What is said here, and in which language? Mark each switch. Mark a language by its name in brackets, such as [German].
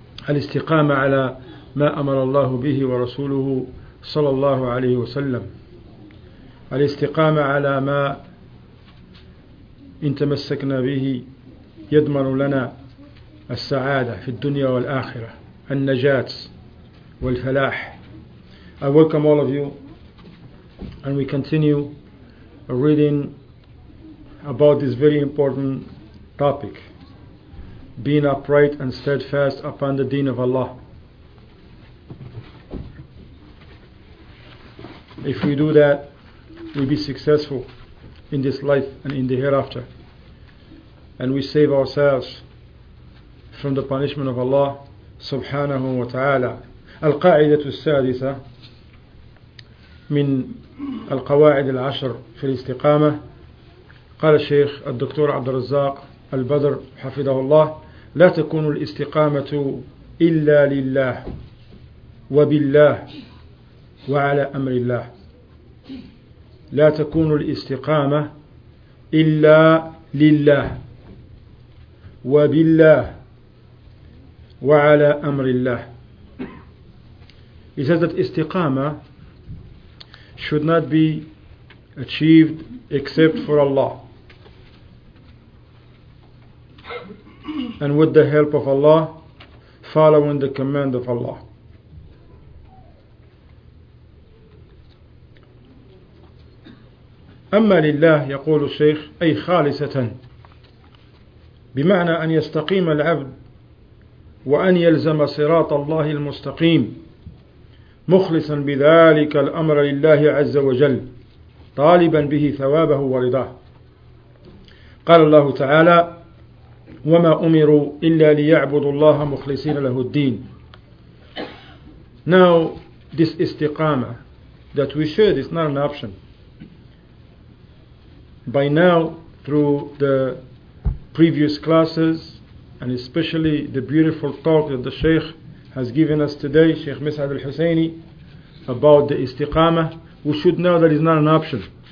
[Arabic] الاستقامة على ما أمر الله به ورسوله صلى الله عليه وسلم الاستقامة على ما إن تمسكنا به يضمن لنا السعادة في الدنيا والآخرة النجاة والفلاح. [English] I welcome all of you and we continue reading about this very important topic, being upright and steadfast upon the deen of Allah. If we do that, we be successful in this life and in the hereafter, and we save ourselves from the punishment of Allah subhanahu wa ta'ala. [Arabic] القاعدة السادسة من القواعد العشر في الاستقامة قال الشيخ الدكتور عبد الرزاق البدر حفظه الله لا تكون الاستقامة إلا لله وبالله وعلى أمر الله لا تكون الاستقامة إلا لله وبالله وعلى أمر الله. [English] He says that istiqama should not be achieved except for Allah and with the help of Allah, following the command of Allah. [Arabic] أما لله يقول الشيخ أي خالصة بمعنى أن يستقيم العبد وأن يلزم صراط الله المستقيم مخلصا بذلك الأمر لله عز وجل طالبا به ثوابه ورضاه. قال الله تعالى وما أمروا إلا ليعبدوا الله مخلصين له الدين. [English] Now this istiqama that we should is not an option. By now, through the previous classes and especially the beautiful talk that the Shaykh has given us today, Shaykh Mis'ad al-Husayni, about the istiqamah, we should know that it's not an option.